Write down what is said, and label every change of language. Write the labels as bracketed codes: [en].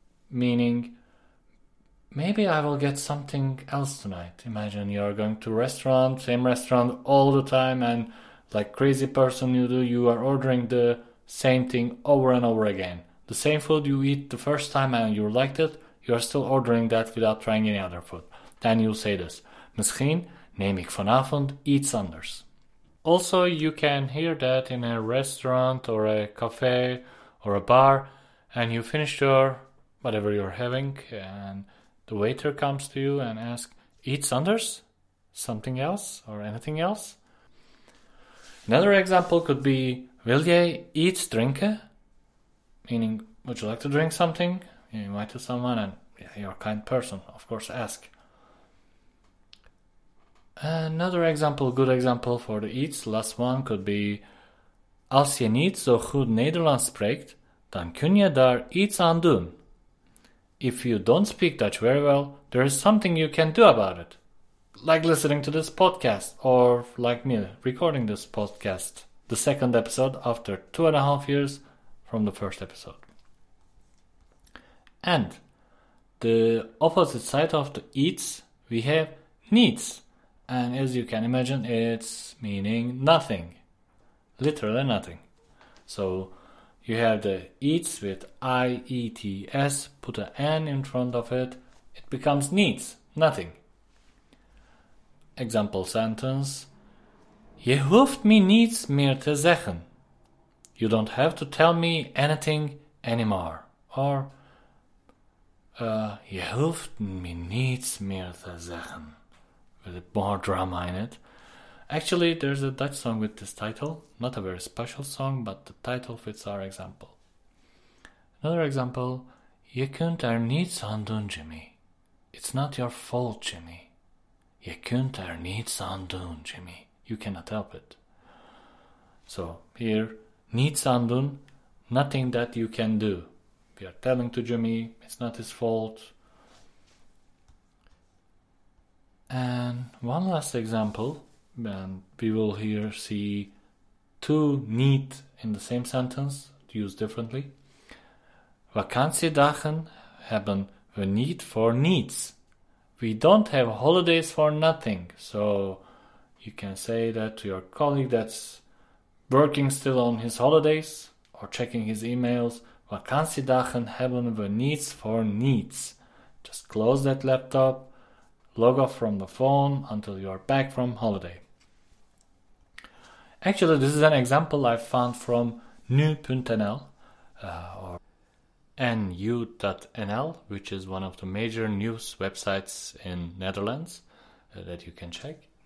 [en] Meaning, maybe I will get something else tonight. Imagine you are going to restaurant, same restaurant all the time, and like crazy person you do, you are ordering the same thing over and over again. The same food you eat the first time and you liked it, you are still ordering that without trying any other food. Then you say this, [nl] misschien neem ik vanavond iets anders. [en] Also, you can hear that in a restaurant or a cafe or a bar, and you finish your whatever you're having, and the waiter comes to you and asks, [nl] iets anders? [en] Something else or anything else? Another example could be, [nl] wil jij iets drinken? [en] Meaning, would you like to drink something? You invite someone and yeah, you're a kind person, of course, ask. Another example, good example for the iets, last one could be, [nl] als je niet zo goed Nederlands spreekt, dan kun je daar iets aan doen. [en] If you don't speak Dutch very well, there is something you can do about it. Like listening to this podcast, or like me, recording this podcast, the second episode after 2.5 years from the first episode. And the opposite side of the iets, we have niets. And as you can imagine, it's meaning nothing, literally nothing. So you have the iets with I-E-T-S, put an N in front of it, it becomes niets, nothing. [nl] Example sentence, je hoeft me niets meer te zeggen. [en] You don't have to tell me anything anymore. [nl] Or, je hoeft me niets meer te zeggen. [en] With more drama in it. Actually, there's a Dutch song with this title. Not a very special song, but the title fits our example. Another example. [nl] Je kunt er niets aan doen, Jimmy. [en] It's not your fault, Jimmy. [nl] Je kunt er niets aan doen, Jimmy. [en] You cannot help it. So, here, [nl] niets aan doen, [en] nothing that you can do. We are telling to Jimmy, it's not his fault. And one last example, and we will here see two niet in the same sentence, used differently. [nl] Vakantiedagen hebben we niet voor niets. [en] We don't have holidays for nothing. So you can say that to your colleague that's working still on his holidays or checking his emails. [nl] Wat kan ze dagen hebben we niets voor niets? [en] Just close that laptop, log off from the phone until you are back from holiday. Actually, this is an example I found from nu.nl or nu.nl, which is one of the major news websites in Netherlands that you can check.